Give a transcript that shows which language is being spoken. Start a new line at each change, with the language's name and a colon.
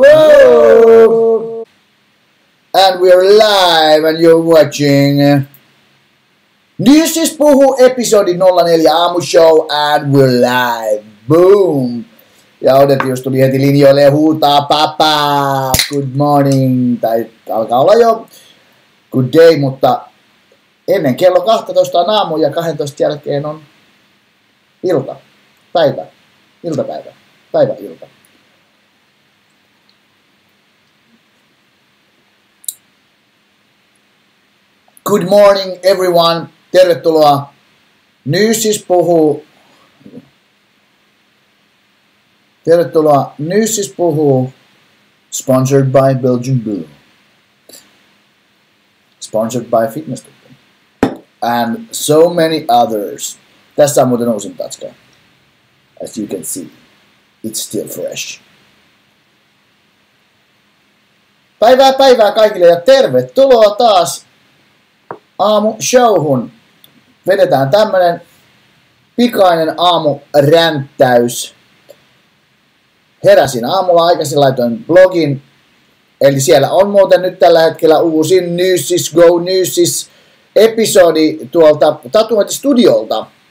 English: わー And we're live and you're watching This is Puhu episode 04 aamu show and we're live. Boom!
Finnish: Ja odet, jos tuli heti linjoille ja huutaa
English: papa, good morning,
Finnish: tai alkaa olla jo
English: good day,
Finnish: mutta ennen kello 12 on aamu ja 12 jälkeen on ilta, päivä, iltapäivä, päivä, ilta.
English: Good morning everyone, tervetuloa, Nyysis puhuu. Tervetuloa, Nyysis puhuu, sponsored by Belgian Blue, sponsored by Fitness Token, and so many others.
Finnish: Tässä on muuten uusin tatska.
English: As you can see, it's still fresh.
Finnish: Päivää päivää kaikille ja tervetuloa taas aamu showhun. Vedetään tämmönen pikainen aamu ränttäys. Heräsin aamulla aikaisin, laitoin blogin, eli siellä on muuten nyt tällä hetkellä uusin Nyysis Go Nyysis episodi tuolta tatuointistudiolta.